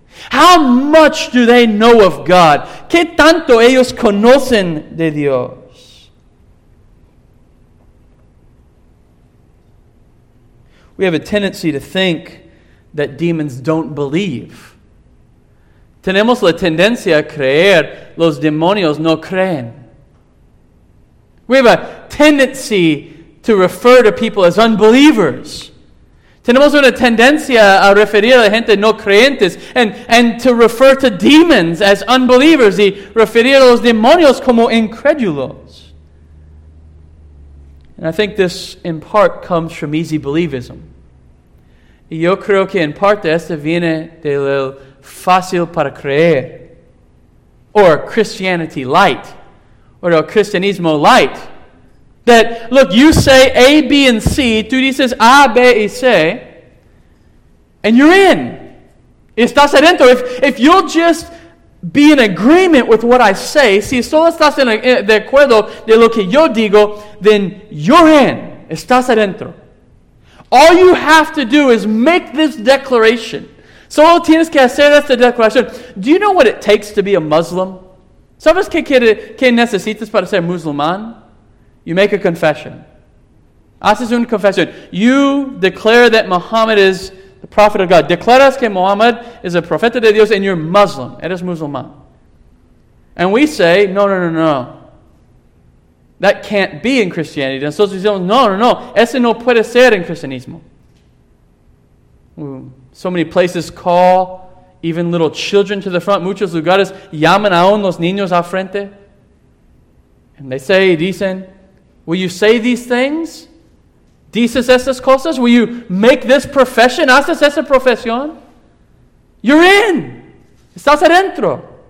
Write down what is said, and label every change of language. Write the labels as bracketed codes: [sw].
[en] How much do they know of God? [es] ¿Qué tanto ellos conocen de Dios? [en] We have a tendency to think that demons don't believe. [es] Tenemos la tendencia a creer los demonios no creen. [en] We have a tendency to refer to people as unbelievers. [es] Tenemos una tendencia a referir a la gente no creyentes [en] and to refer to demons as unbelievers [es] y referir a los demonios como incrédulos. [en] And I think this in part comes from easy believism. [es] Y yo creo que en parte esto viene de lo fácil para creer. [en] Or Christianity light. Or [es] el cristianismo [en] light. That, look, you say A, B, and C, [es] tú dices A, B, y C, [en] and you're in. [es] Estás adentro. [en] If you'll just be in agreement with what I say, [es] si solo estás de acuerdo de lo que yo digo, [en] then you're in. Estás adentro. All you have to do is make this declaration. [es] Solo tienes que hacer esta declaración. [en] Do you know what it takes to be a Muslim? [es] ¿Sabes qué necesitas para ser musulmán? [en] You make a confession. [es] Haces una confesión. [en] You declare that Muhammad is the prophet of God. [es] Declaras que Muhammad [en] is [es] a profeta de Dios [en] and you're Muslim. [es] Eres musulmán. [en] And we say, no, no, no, no. That can't be in Christianity. [es] Nosotros decimos, no, no, no. Ese no puede ser en cristianismo. [en] So many places call even little children to the front. [es] Muchos lugares llaman aún los niños al frente. [en] And they say, [es] dicen, [en] will you say these things? [es] ¿Dices estas cosas? [en] Will you make this profession? [es] ¿Haces esa profesión? [en] You're in. [es] Estás adentro.